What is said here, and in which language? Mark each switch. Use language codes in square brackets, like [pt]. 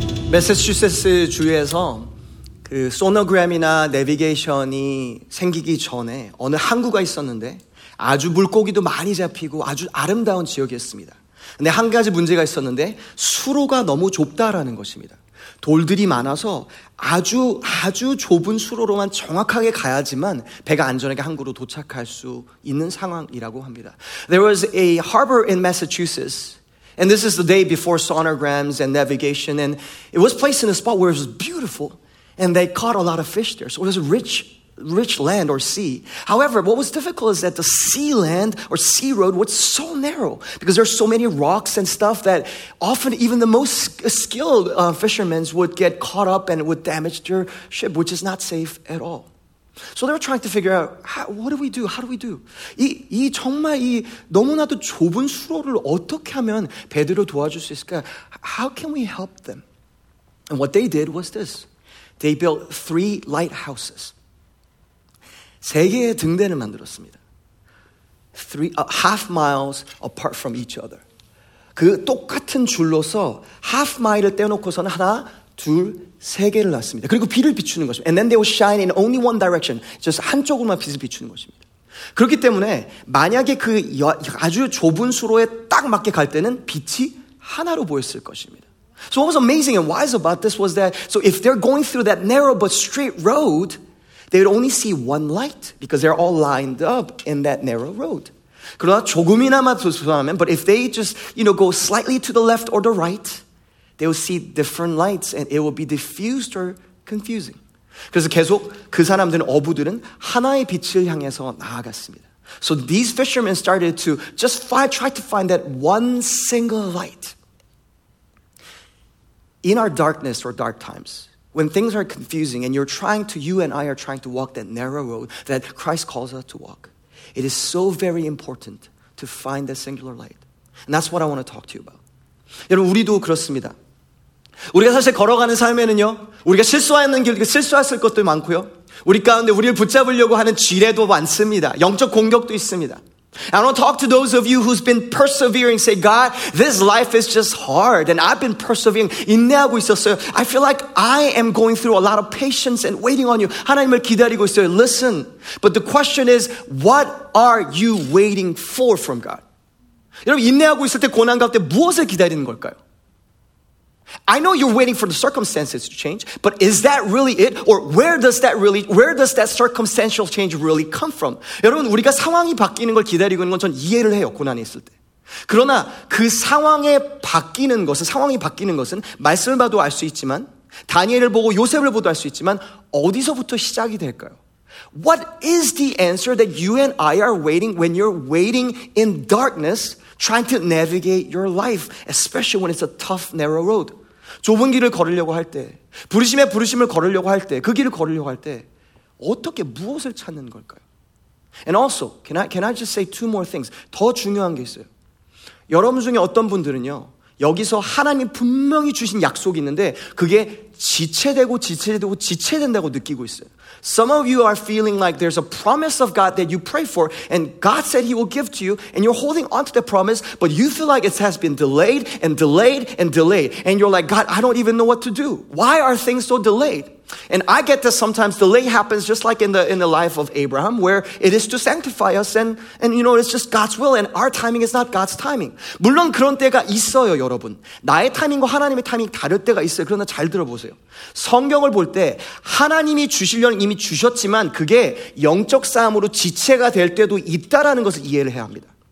[ko] 매사추세츠 주에서 그 소노그램이나 내비게이션이 생기기 전에 어느 항구가 있었는데 아주 물고기도 많이 잡히고 아주 아름다운 지역이었습니다. 근데 한 가지 문제가 있었는데 수로가 너무 좁다라는 것입니다. 돌들이 많아서 아주 아주 좁은 수로로만 정확하게 가야지만 배가 안전하게 항구로 도착할 수 있는 상황이라고 합니다. [en] There was a harbor in Massachusetts. And this is the day before sonograms and navigation. And it was placed in a spot where it was beautiful. And they caught a lot of fish there. So it was a rich land or sea. However, what was difficult is that the sea land or sea road was so narrow because there's so many rocks and stuff that often even the most skilled fishermen would get caught up and would damage their ship, which is not safe at all. So they were trying to figure out, what do we do? How do we do? [ko] 이 정말 이 너무나도 좁은 수로를 어떻게 하면 배들을 도와줄 수 있을까? [en] How can we help them? And what they did was this. They built three lighthouses. [ko] 세 개의 등대를 만들었습니다. [en] Half miles apart from each other. [ko] 그 똑같은 줄로서 half mile을 떼어놓고서는 하나, 둘, 세 개를 놨습니다. 그리고 비를 비추는 것입니다. [en] And then they will shine in only one direction. [ko] 그래서 한쪽으로만 빛을 비추는 것입니다. 그렇기 때문에 만약에 그 아주 좁은 수로에 딱 맞게 갈 때는 빛이 하나로 보였을 것입니다. [en] So what was amazing and wise about this was that so if they're going through that narrow but straight road, they would only see one light because they're all lined up in that narrow road. [ko] 그러나 조금이나마 조심하면, [en] but if they just, you know, go slightly to the left or the right, they will see different lights and it will be diffused or confusing. [ko] 그래서 계속 그 사람들은 어부들은 하나의 빛을 향해서 나아갔습니다. [en] So these fishermen started to just try to find that one single light. In our darkness or dark times, when things are confusing and you and I are trying to walk that narrow road that Christ calls us to walk, it is so very important to find that singular light. And that's what I want to talk to you about. [ko] 여러분, 우리도 그렇습니다. 우리가 사실 걸어가는 삶에는요, 우리가 실수하는 길, 실수했을 것도 많고요. 우리 가운데 우리를 붙잡으려고 하는 지뢰도 많습니다. 영적 공격도 있습니다. [en] I want to talk to those of you who's been persevering. Say, God, this life is just hard. And I've been persevering. [ko] 인내하고 있었어요. [en] I feel like I am going through a lot of patience and waiting on you. [ko] 하나님을 기다리고 있어요. [en] Listen. But the question is, what are you waiting for from God? [ko] 여러분, 인내하고 있을 때 고난 가운데 무엇을 기다리는 걸까요? [en] I know you're waiting for the circumstances to change, but is that really it? Or where does that circumstantial change really come from? [ko] 여러분, 우리가 상황이 바뀌는 걸 기다리고 있는 건 전 이해를 해요, 고난이 있을 때. 그러나 그 상황에 바뀌는 것은, 상황이 바뀌는 것은 말씀을 봐도 알 수 있지만, 다니엘을 보고 요셉을 보도 알 수 있지만, 어디서부터 시작이 될까요? [en] What is the answer that you and I are waiting when you're waiting in darkness, trying to navigate your life, especially when it's a tough, narrow road? [ko] 좁은 길을 걸으려고 할 때, 부르심에 부르심을 걸으려고 할 때, 그 길을 걸으려고 할 때, 어떻게 무엇을 찾는 걸까요? [en] And also, can I just say two more things? [ko] 더 중요한 게 있어요. 여러분 중에 어떤 분들은요, 여기서 하나님이 분명히 주신 약속이 있는데, 그게 지체되고 지체되고 지체된다고 느끼고 있어요. [en] Some of you are feeling like there's a promise of God that you pray for, and God said he will give to you, and you're holding on to the promise, but you feel like it has been delayed and delayed and delayed. And you're like, God, I don't even know what to do. Why are things so delayed? And I get that sometimes delay happens just like in the life of Abraham, where it is to sanctify us, and you know, it's just God's will, and our timing is not God's timing. [ko] 물론 그런 때가 있어요, 여러분. 나의 타이밍과 하나님의 타이밍 다를 때가 있어요. 그러나 잘 들어보세요. 성경을 볼 때 하나님이 주시려는 이미 주셨지만 그게 영적 싸움으로 지체가 될 때도 있다라는 것을 이해를 해야 합니다.